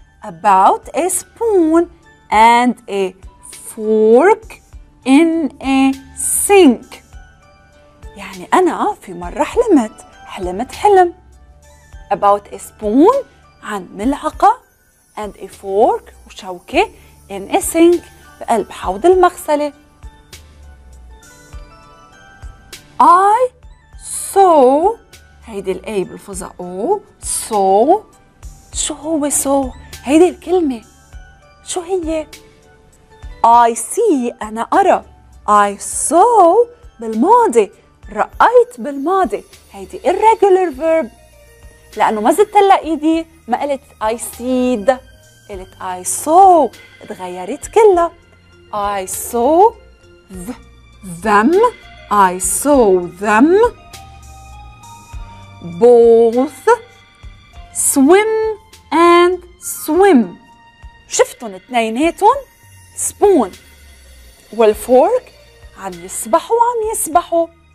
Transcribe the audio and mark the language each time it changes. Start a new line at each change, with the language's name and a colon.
English: About a spoon and a fork in a sink.
Arabic: يعني أنا في مرة حلمت، حلمت حلم.
English: About a spoon،
Arabic: عن ملعقة،
English: and a fork،
Arabic: وشوكة،
English: in a sink،
Arabic: بقلب حوض المغسلة.
English: I saw،
Arabic: هيدي الـ A بلفظة O، saw. شو هو saw؟ هيدي الكلمة، شو هي؟
English: I see،
Arabic: أنا أرى.
English: I saw
Arabic: بالماضي، رأيت بالماضي، هيدي
English: irregular verb،
Arabic: لأنه ما زدت إيدي، ما قلت
English: I seed،
Arabic: قلت
English: I saw،
Arabic: تغيرت كلها.
English: I saw them، I saw them both swim and swim.
Arabic: شفتن اتنيناتن spoon والفورك عم يسبحوا عم يسبحوا.